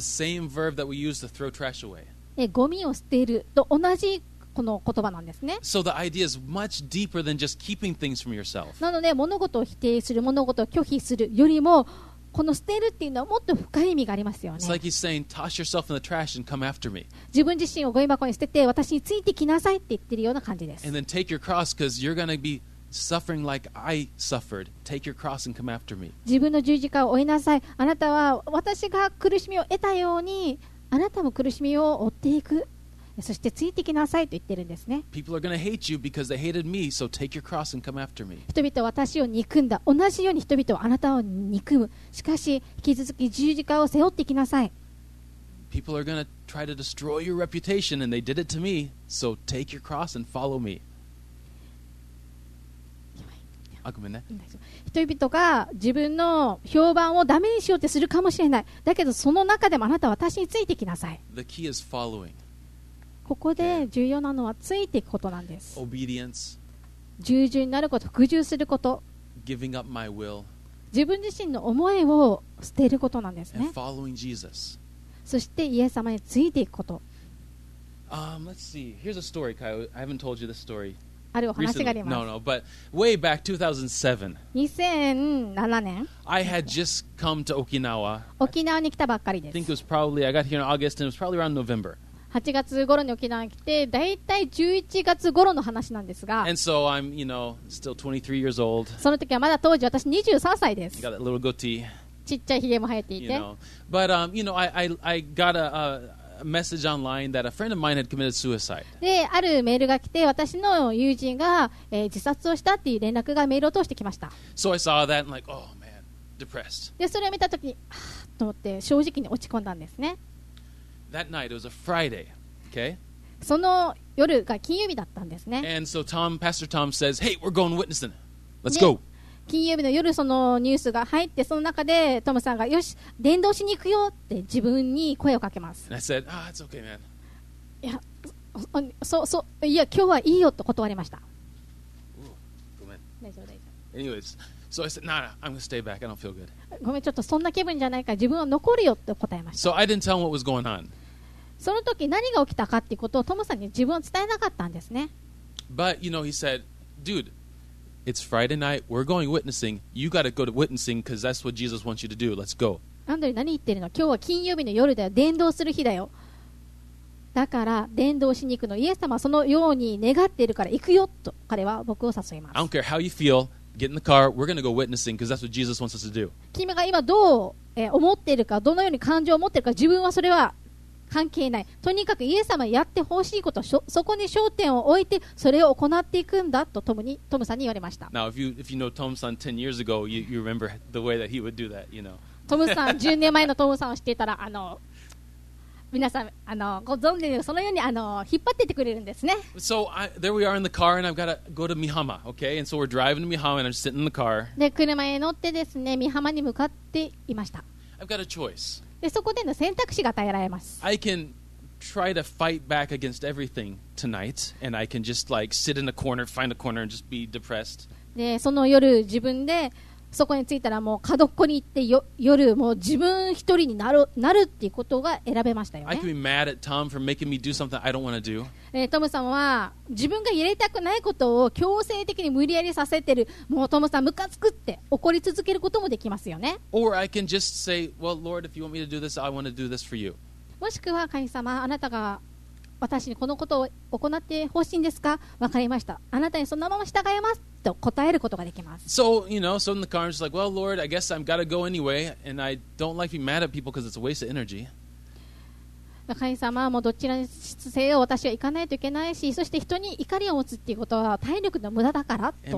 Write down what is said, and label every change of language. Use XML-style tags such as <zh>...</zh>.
<en>The same verb that we use to throw trash away.</en> <ja>ゴミを捨てると同じこの言葉なんですね。</ja> <en>So the idea is much deeper than just keeping things from yourself.</en> <ja>なので物事を否定する、物事を拒否するよりも、この捨てるっていうのはもっと深い意味がありますよね。</ja> <en>It's like he's saying, toss yourself in the trash and come after me.</en> <ja>自分自身をゴミ箱に捨てて私についてきなさいって言ってるような感じです。</ja> <en>And then take your cross because you're going to be suffering like I suffered. Take your cross and come after me.</en> <ja>自分の十字架を追いなさい。あなたは私が苦しみを得たように、あなたも苦しみを追っていく、そしてついてきなさいと言ってるんですね。</ja> <en>People are going to hate you because they hated me, so take your cross and come after me.</en> <ja>人々は私を憎んだ。同じように人々はあなたを憎む。しかし引き続き十字架を背負ってきなさい。</ja> <en>People are going to try to destroy your reputation and they did it to me, so take your cross and follow me.</en> <ja>あ、ごめんね。人々が自分の評判をダメにしようってするかもしれない。だけどその中でもあなたは私についてきなさい。</ja> <en>The key is following.</en> <ja>ここで重要なのはついていくことなんです。</ja> <en>Obedience.</en> <ja>従順になること、服従すること。</ja> <en>Giving up my will.</en> <ja>自分自身の思いを捨てることなんですね。</ja> <en>And following Jesus.</en> <ja>そしてイエス様についていくこと。</ja> <en>Let's see. Here's a story, Kyle. I haven't told you this story.</en> <ja>あるお話があります。</ja> <en>Recently. No, but way back 2007.</en> <ja>2007年。</ja> <en>I had just come to Okinawa.</en> <ja>沖縄に来たばっかりです。</ja> <en>I think it was probably, I got here in August and it was probably around November.</en> <ja>8月頃に沖縄に来て、だいたい11月頃の話なんですが、</ja> <en>And so I'm, you know, still 23 years old.</en> <ja>その時はまだ当時私23歳です。</ja> <en>Got a little goatee.</en> <ja>ちっちゃいひげも生えていて。</ja> <en>You know. But, you know, I got a message online that a friend of mine had committed suicide.</en> <ja>で、あるメールが来て、私の友人が、自殺をしたっていう連絡がメールを通してきました。</ja> <en>So I saw that and like, oh man, depressed.</en> <ja>で、それを見た時に、はぁと思って正直に落ち込んだんですね。</ja> <en>That night it was a Friday, okay?</en> <ja>その夜が金曜日だったんですね。</ja> <en>And so Tom, Pastor Tom says, "Hey, we're going witnessing. Let's go."</en> <ja>金曜日の夜そのニュースが入って、その中でトムさんがよし伝道しに行くよって自分に声をかけます。</ja> <en>And I said, "Ah, it's okay, man."</en> <ja>いや、そういや今日はいいよと断りました。ごめん。大丈夫大丈夫。</ja> <en>Anyways. So I said, nah, I'm gonna stay back. I don't feel good.</en> <ja>ごめん、ちょっとそんな気分じゃないから自分は残るよって答えました。</ja> <en>So I didn't tell him what was going on.</en> <ja>その時何が起きたかっていうことをトムさんに自分は伝えなかったんですね。</ja> <en>But you know, he said, dude, it's Friday night. We're going witnessing. You gotta go to witnessing because that's what Jesus wants you to do. Let's go.</en> <ja>アンドリー、何言ってるの？今日は金曜日の夜だよ。伝道する日だよ。だから伝道しに行くの。イエス様はそのように願っているから行くよと彼は僕を誘います。</ja> <en>I don't care how you feel. Get in the car. We're going to go witnessing because that's what Jesus wants us to do.</en> <ja>君が今どう思っているか、どのように感情を持っているか、自分はそれは関係ない。とにかくイエス様やってほしいこと、そこに焦点を置いてそれを行っていくんだとトムさんに言われました。</ja> <en>Now, if you know Tom さん10 years ago, you remember the way that he would do that, you know.</en> <ja>トムさん、10年前のトムさんを知っていたら、皆さん、ご存知のそのように引っ張っていってくれるんですね。</ja> <en>So, there we are in the car, and I've got to go to Mihama, okay? And so we're driving to Mihama, and I'm sitting in the car.</en> <ja>で、車へ乗ってですね、Mihamaに向かっていました。</ja> <en>I've got a choice.</en> <ja>でそこでの選択肢が与えられます。</ja> <en>I can try to fight back against everything tonight, and I can just like sit in a corner, find a corner, and just be depressed.</en> <ja>でその夜自分でそこに着いたらもう角っこに行って夜もう自分一人になるっていうことが選べましたよね。</ja> <en>I can be mad at Tom for making me do something I don't want to do.</en> <ja>トムさんは自分がやりたくないことを強制的に無理やりさせてる。もうトムさんムカつくって怒り続けることもできますよね。</ja> <en>Or I can just say, well, Lord, if you want me to do this, I want to do this for you.</en> <ja>もしくは神様、あなたが私にこのことを行ってほしいんですか？わかりました。あなたにそのまま従いますと答えることができます。</ja> <en>So, you know, so in the car, I'm just like, well, Lord, I guess I've got to go anyway, and I don't like being mad at people because it's a waste of energy.</en> <ja>神様はもうどちらにせよ私は行かないといけないし、そして人に怒りを持つっていうことは体力の無駄だからと。</ja>